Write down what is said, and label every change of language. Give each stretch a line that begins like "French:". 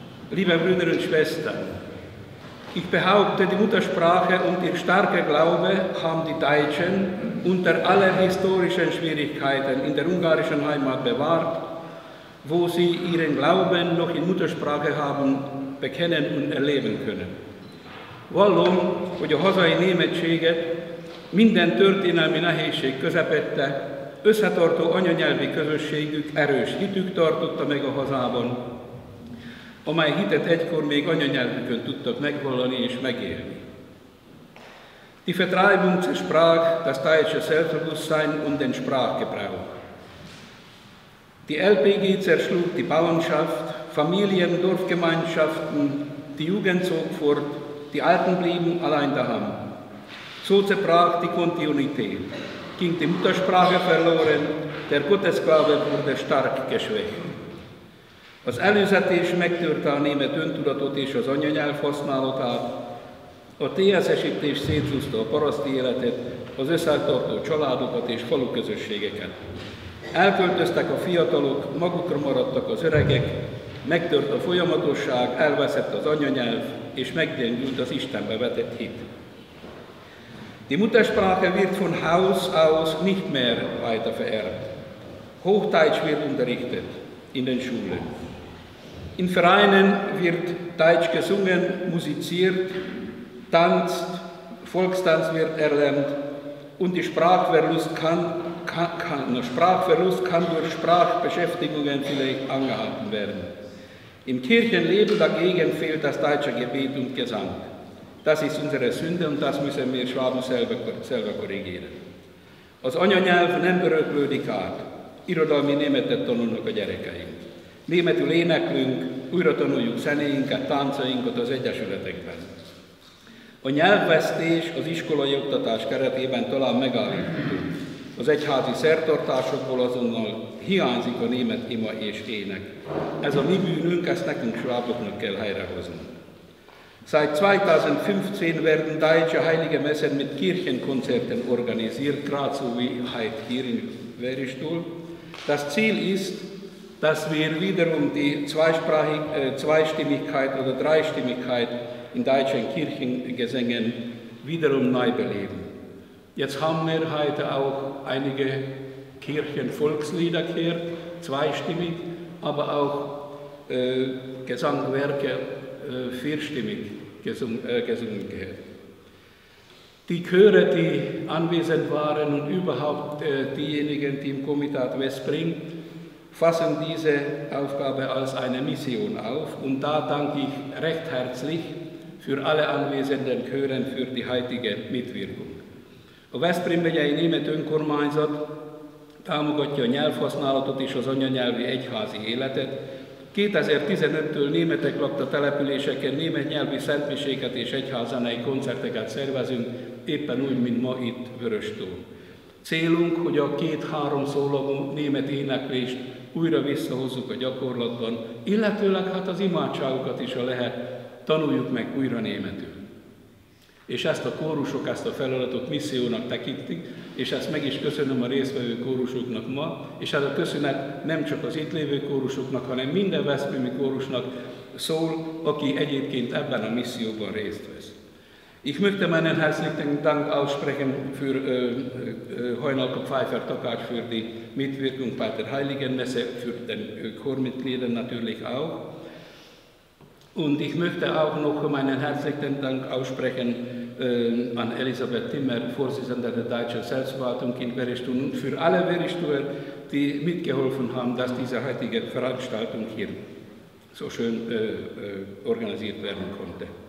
German: Liebe Brüder und Schwestern, ich behaupte, die Muttersprache und ihr starker Glaube haben die Deutschen unter allen historischen Schwierigkeiten in der ungarischen Heimat bewahrt, wo sie ihren Glauben noch in Muttersprache haben bekennen und erleben können.
Hungarian: Wallom, hogy a hazai németséget minden történelmi nehézség közepette, összetartó anyanyelvi közösségük erős hitük tartotta meg a hazában, amely hitet egykor még anyanyelvükön tudtak megvallani és megélni.
German: Die Vertreibung zur Sprache, das deutsche Selbstbewusstsein und den Sprachgebrauch. Die LPG zerschlug die Bauernschaft, Familien, Dorfgemeinschaften, die Jugend zog fort, die Alten blieben allein daheim. So zerbrach die Kontinuität, ging die Muttersprache verloren, der Gottesglaube wurde stark geschwächt.
Hungarian: Az előzetés megtörte a német öntudatot és az anyanyelv használatát, a TSS-ítés szétszúzta a paraszti életet, az összetartó családokat és falu közösségeket. Elköltöztek a fiatalok, magukra maradtak az öregek, megtört a folyamatosság, elveszett az anyanyelv, és meggyengült az Istenbe vetett hit.
German: Die Muttersprache wird von Haus aus nicht mehr weiter vererbt. Hochdeutsch wird unterrichtet in den Schulen. In Vereinen wird Deutsch gesungen, musiziert, tanzt, Volkstanz wird erlernt und die Sprachverlust kann durch Sprachbeschäftigungen vielleicht angehalten werden. Im Kirchenleben dagegen fehlt das deutsche Gebet und Gesang. Das ist unsere Sünde und das müssen wir Schwaben selber korrigieren.
Hungarian: Az anyanyelv nem öröklődik át, irodalmi németet tanulnak a gyerekeink. Németül éneklünk, újra tanuljuk zenéinket, táncainkat az egyesületekben. A nyelvvesztés az iskolai oktatás keretében talán megállítható. Az egyházi szertartásokból azonnal hiányzik a német ima és ének. Ez a mi bűnünk, ezt nekünk sváboknak kell helyrehozni.
German: Seit 2015 werden deutsche heilige Messen mit Kirchenkonzerten organisiert, gerade so wie heute hier in Veristul. Das Ziel ist, dass wir wiederum die Zweistimmigkeit oder Dreistimmigkeit in deutschen Kirchengesängen wiederum neu beleben. Jetzt haben wir heute auch einige Kirchenvolkslieder gehört, zweistimmig, aber auch Gesangwerke vierstimmig gesungen gehört. Die Chöre, die anwesend waren und überhaupt diejenigen, die im Komitat Westspring fassen diese Aufgabe als eine Mission auf und da danke ich recht herzlich für alle anwesenden Chören für die heutige Mitwirkung.
Hungarian: A Veszprém megyei német önkormányzat támogatja a nyelvhasználatot és az anyanyelvi egyházi életet. 2015-től németek lakta településeken német nyelvi szentmiséket és egyházzenei koncerteket szervezünk, éppen úgy, mint ma itt Vöröstól. Célunk, hogy a 2-3 szólagú német éneklést újra visszahozzuk a gyakorlatban, illetőleg hát az imádságokat is, ha lehet, tanuljuk meg újra németül. És ezt a kórusok, ezt a feladatot missziónak tekintik, és ezt meg is köszönöm a résztvevő kórusoknak ma, és ez a köszönet nem csak az itt lévő kórusoknak, hanem minden veszprémi kórusnak szól, aki egyébként ebben a misszióban részt vesz.
German: Ich möchte meinen herzlichen Dank aussprechen für Heinolke Pfeiffer Takács für die Mitwirkung bei der Heiligen Messe, für den Chormitglieder natürlich auch. Und ich möchte auch noch meinen herzlichen Dank aussprechen an Elisabeth Timmer, Vorsitzende der Deutschen Selbstverwaltung in Veristul und für alle Veristuler, die mitgeholfen haben, dass diese heutige Veranstaltung hier so schön organisiert werden konnte.